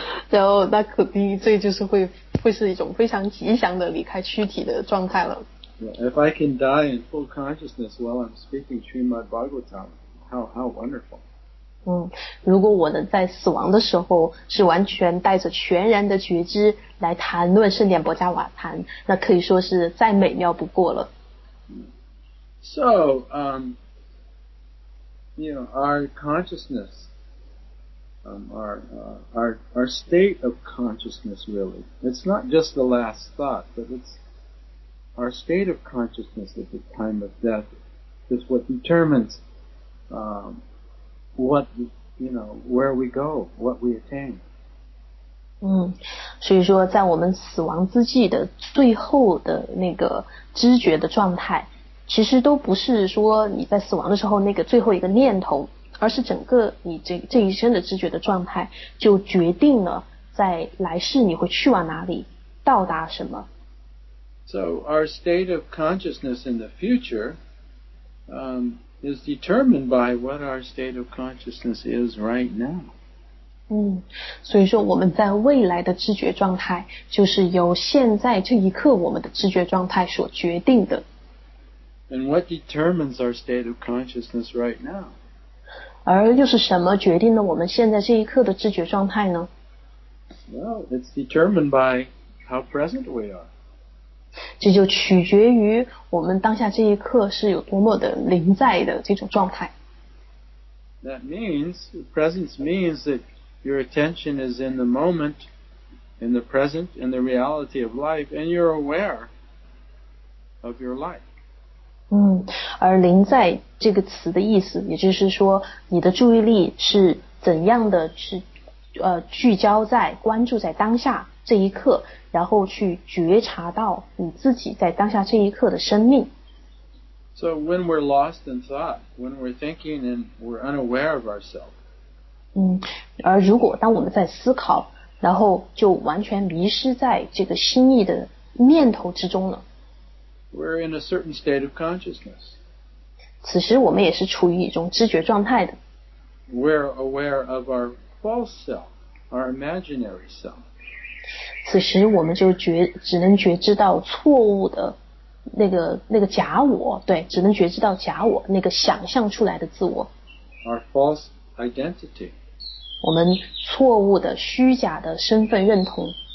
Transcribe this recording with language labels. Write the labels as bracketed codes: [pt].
[zh] 然后那肯定这就是会是一种非常吉祥的离开躯体的状态了。 [en] If I can die in full consciousness while I'm speaking Srimad Bhagavatam, how wonderful. [zh] 如果我能在死亡的时候是完全带着全然的觉知来谈论圣典薄伽瓦谈，那可以说是再美妙不过了。 [en] So, you know, our consciousness, our state of consciousness really, it's not just the last thought, but it's our state of consciousness at the time of death is what determines, what, you know, where we go, what we attain. [zh] 所以说在我们死亡之际的最后的那个知觉的状态其实都不是说你在死亡的时候那个最后一个念头而是整个你这一生的知觉的状态就决定了在来世你会去往哪里到达什么 [en] So our state of consciousness in the future is determined by what our state of consciousness is right now [zh] 所以说我们在未来的知觉状态就是由现在这一刻我们的知觉状态所决定的。 [en] And what determines our state of consciousness right now? [zh] 而又是什么决定了我们现在这一刻的知觉状态呢? [en] Well, it's determined by how present we are. [zh] 这就取决于我们当下这一刻是有多么的临在的这种状态。 [en] That means, presence means that your attention is in the moment, in the present, in the reality of life, and you're aware of your life. [zh] 而临在这个词的意思，也就是说，你的注意力是怎样的去聚焦在、关注在当下这一刻，然后去觉察到你自己在当下这一刻的生命。 [en] So when we're lost in thought, when we're thinking and we're unaware of ourselves, [zh] 而如果当我们在思考然后就完全迷失在这个心意的念头之中了 [en] We're in a certain state of consciousness [zh] 此时我们也是处于一种知觉状态的 [en] We're aware of our false self our imaginary self [zh] 此时我们就只能觉知到错误的那个假我对只能觉知到假我那个想象出来的自我 [en] our false identity [zh] 我们错误的虚假的身份认同